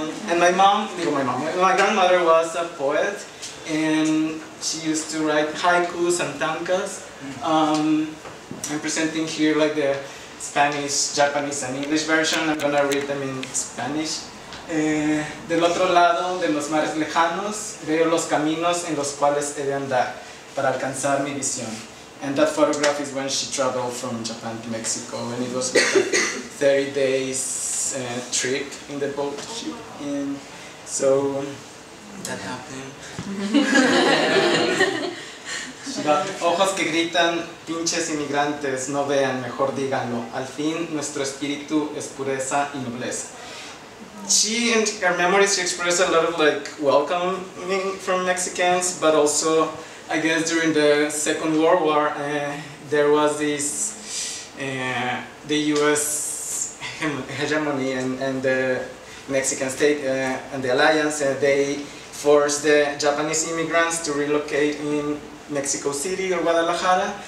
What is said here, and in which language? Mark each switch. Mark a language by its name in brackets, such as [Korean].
[English] and my grandmother was a poet. And she used to write haikus and tankas. I'm presenting here like the Spanish, Japanese, and English version. I'm gonna read them in Spanish. [Spanish] Del otro lado de los mares lejanos, veo los caminos en los cuales he de andar para alcanzar mi visión. [English] And that photograph is when she traveled from Japan to Mexico, and it was like a 30 days trip in the boat. That happened. She got [Spanish] ojos que gritan, pinches inmigrantes, no vean, mejor díganlo. Al fin, nuestro espíritu es pureza y nobleza. [English] She, in her memories, she expressed a lot of like welcoming from Mexicans, but also, I guess, during the Second World War, there was this the U.S. hegemony and the Mexican state and the alliance, they forced the Japanese immigrants to relocate in Mexico City or Guadalajara.